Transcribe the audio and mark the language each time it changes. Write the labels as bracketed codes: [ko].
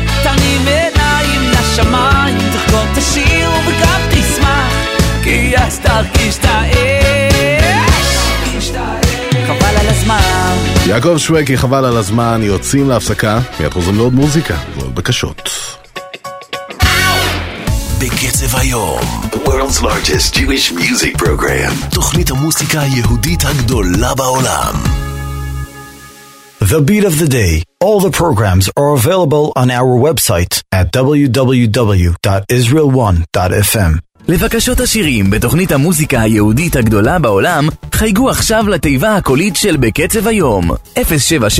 [he] תרים עיניים לשמיים, תחקור תשאיר וגם תשמח, כי אז תרגיש את האש. חבל על הזמן. יעקב שווקי, חבל על הזמן. יוצאים להפסקה, מיד חוזרים לעוד מוזיקה ועוד בקשות. [en] בקצב היום, World's largest Jewish music program. [he] תוכנית המוסיקה היהודית הגדולה בעולם. [en] The beat of the day. All the programs are available on our website at www.israel1.fm. [he] לבקשות השירים בתוכנית המוסיקה היהודית הגדולה בעולם, חייגו עכשיו לתיבה הקולית של בקצב היום, 077-222-7777.